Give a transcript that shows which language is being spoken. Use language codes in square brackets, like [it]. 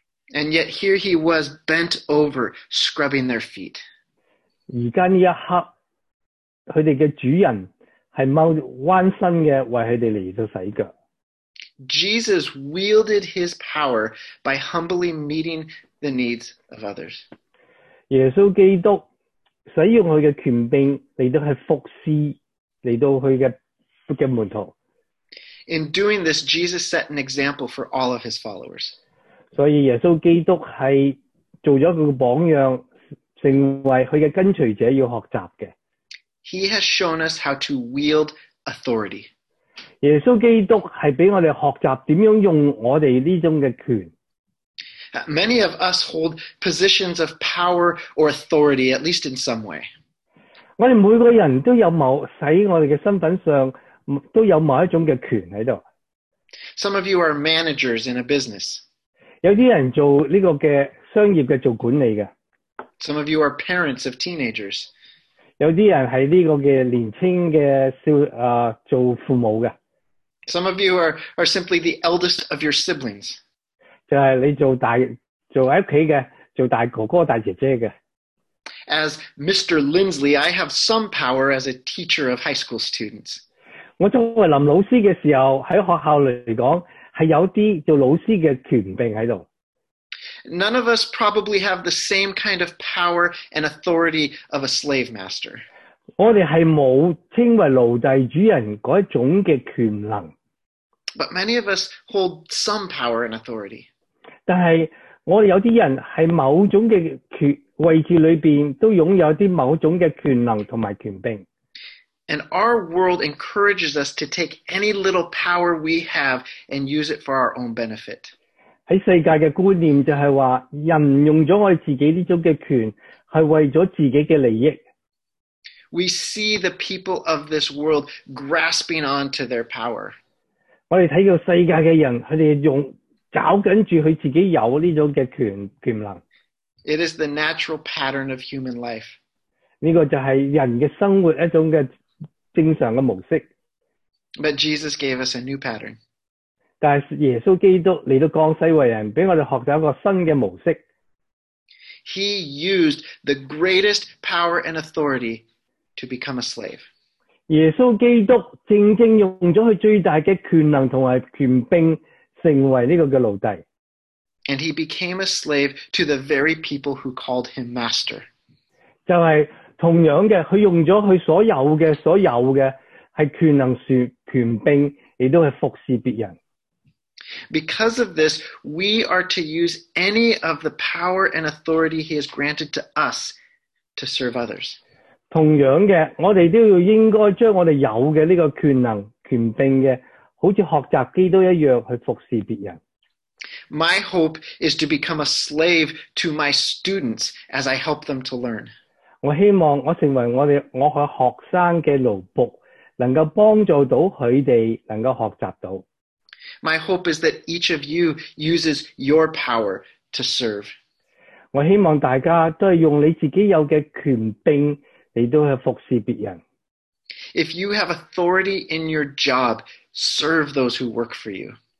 [en] And yet here he was bent over, scrubbing their feet. [zh] 现在这一刻，他们的主人是弯身的为他们来洗脚。 [en] Jesus wielded his power by humbly meeting the needs of others. [zh] 耶稣基督使用他的权柄来到去服侍来到他的门徒。 [en] In doing this, Jesus set an example for all of his followers. [zh] 所以耶稣基督是做了一个榜样，成为他的跟随者要学习的。 [en] He has shown us how to wield authority. [zh] 耶稣基督是给我们学习怎样用我们这种的权。 [en] Many of us hold positions of power or authority, at least in some way. [zh] 我们每个人都有某使我们的身份上都有某一种的权在这里。 [en] Some of you are managers in a business. [zh] 有些人做这个的商业的做管理的。 [en] Some of you are parents of teenagers. [zh] 有些人是这个的年轻的做父母的。 [en] Some of you are simply the eldest of your siblings. [zh] 就是你做家的，做大哥哥大姐姐的。 [en] As Mr. Lindsley, I have some power as a teacher of high school students. [zh] 我作为林老师的时候，在学校来讲，是有些做老师的权柄在这里。 [en] None of us probably have the same kind of power and authority of a slave master. [zh] 我们是没有称为奴隶主人那种的权能。 [en] But many of us hold some power and authority. [zh] 但是我们有些人在某种的位置里面都拥有些某种的权能和权柄。 [en] And our world encourages us to take any little power we have and use it for our own benefit. [zh] 在世界的观念就是说，人用了我们自己这种的权是为了自己的利益。 [en] We see the people of this world grasping on to their power. [zh] 我们看到世界的人，他们抓住他自己有这种的权能。 [en] It is the natural pattern of human life. [zh] 这个就是人的生活一种的正常的模式。 [en] But Jesus gave us a new pattern. [zh] 但是耶稣基督来到降世为人，给我们学习一个新的模式。 [en] He used the greatest power and authority to become a slave. [zh] 耶稣基督正正用了他最大的权能和权柄成为这个奴隶。 [en] And he became a slave to the very people who called him master. [zh] 就是同样的，他用了他所有的是权能权柄，也都是服侍别人。 [en] Because of this, we are to use any of the power and authority he has granted to us to serve others. [zh] 同样的, 我们都应该将我们有的这个权能、权柄的, 好像学习基督一样去服侍别人。 [en] My hope is to become a slave to my students as I help them to learn. [zh] 我希望我成为我的学生的奴仆, 能够帮助到他们能够学习到。 [en] My hope is that each of you uses your power to serve. [zh] 我希望大家都是用你自己有的权柄来服侍别人。 [en] If you have authority in your job, serve those who work for you.